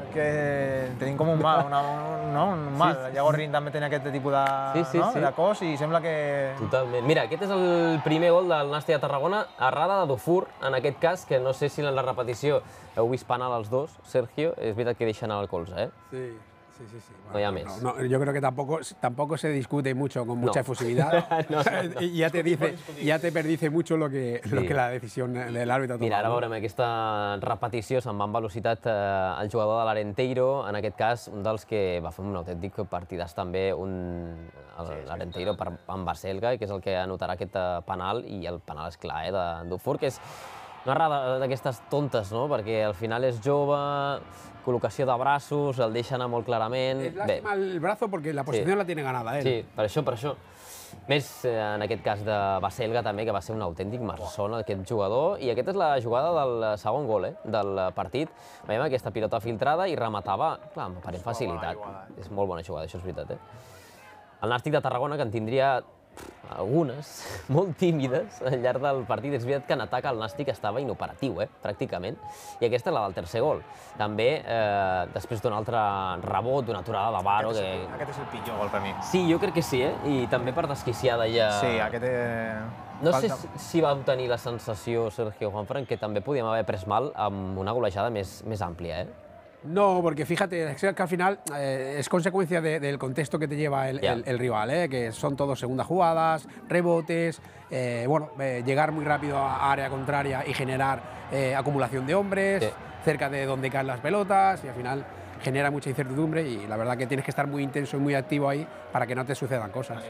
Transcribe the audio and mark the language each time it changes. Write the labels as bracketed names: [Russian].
[Catalan] Que tenim com un mal, sí, sí. Llavors també tenia aquest tipus de, de cos i sembla que... Totalment. Mira, aquest és el primer gol del Nàstic de Tarragona, errada de Dufour, en aquest cas, que no sé si en la repetició heu vist penal els dos, Sergio, és veritat que deixa anar el colze, eh? Sí. Bueno, no hi ha més. [Spanish] No, yo creo que tampoco se discute mucho con mucha efusividad. No. ya te perdice mucho lo que la decisión del árbitro. [Catalan] Mira, ara veurem aquesta repetició, se'n va en velocitat el jugador de l'Arenteiro, en aquest cas, un dels que va fer un autèntic partidàs també, l'Arenteiro amb Baselga, que és el que anotarà aquest penal, i el penal és clar, de Dufour, que és... Una errada d'aquestes tontes, no? Perquè al final és jove, col·locació de braços, el deixa anar molt clarament... [Spanish] Es lastima el brazo porque la posición la tiene ganada, [Catalan] Sí, per això. Més en aquest cas de Baselga, també, que va ser un autèntic marçón, aquest jugador. I aquesta és la jugada del segon gol, del partit. Veiem aquesta pilota filtrada i rematava, clar, amb aparent facilitat. És molt bona jugada, això és veritat, El Nàstic de Tarragona, que en tindria... algunes, molt tímides, al llarg del partit. És veritat que en atac el Nàstic estava inoperatiu, pràcticament. I aquesta és la del tercer gol. També, després d'un altre rebot, d'una aturada de Baro... Aquest és el pitjor gol per mi. Sí, jo crec que sí, I també per desquiciada ja... Sí, aquest... No sé si vau tenir la sensació, Sergio Juanfran, que també podíem haver pres mal amb una golejada més àmplia, [Spanish] No, porque fíjate, es que al final es consecuencia del contexto que te lleva el rival, que son todos segundas jugadas, rebotes, llegar muy rápido a área contraria y generar acumulación de hombres, cerca de donde caen las pelotas, y al final genera mucha incertidumbre y la verdad que tienes que estar muy intenso y muy activo ahí para que no te sucedan cosas.